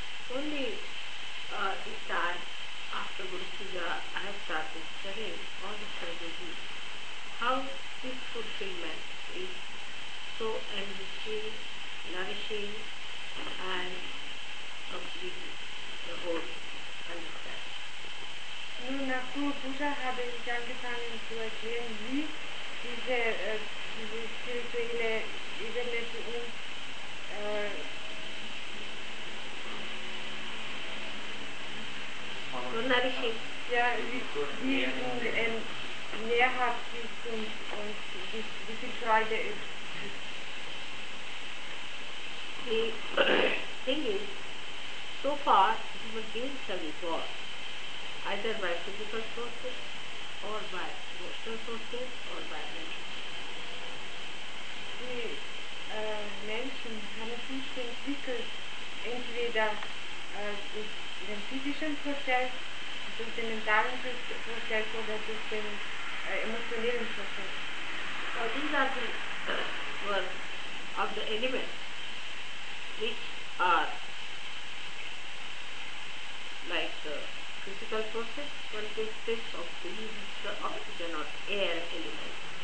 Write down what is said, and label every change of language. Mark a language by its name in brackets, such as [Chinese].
[English] Only this time, after Guru Puja, I have started studying all the strategies, how this fulfillment is so enriching, nourishing, and completely the whole understanding. [German] Nun, nach Guru Puja habe ich angefangen zu erklären, wie diese spirituelle Ebene für uns [English] so nourishing. [German] Ja, wie nährhaft ist und wie viel Freude ist. [English] The thing is, so far human beings have evolved, either by physical sources or by emotional sources or by mental sources. [German] Die Menschen haben sich entwickelt, entweder durch den physischen Prozess, durch den mentalen Prozess oder durch den emotionalen Prozess. [English] So these are the words of the elements, which are like the physical process, one takes this of the oxygen or air element.